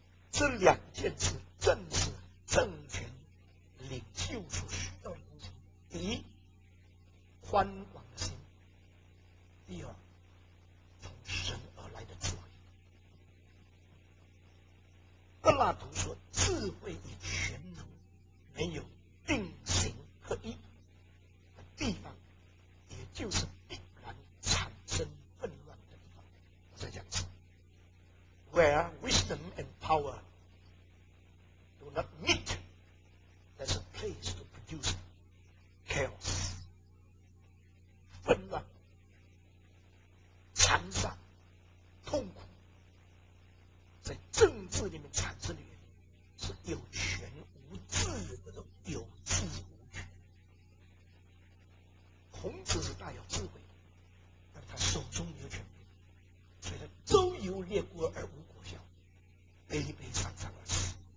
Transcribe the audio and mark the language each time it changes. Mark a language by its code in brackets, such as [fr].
[zh] 这两件事正是政权领袖所需要的东西：第一，宽广的心；第二，从神而来的智慧。拉图说，智慧与全能没有定型合一的地方，也就是必然产生混乱的地方。我再讲一次 [en] ，Where wisdom and power do not meet, there's a place to produce chaos, [zh] 混乱、残杀、痛苦。在政治里面产生的原因是有权无智的，都有智无权。孔子是大有智慧的，但他手中没有权柄，所以他周游列国而无国效，悲悲伤伤而死。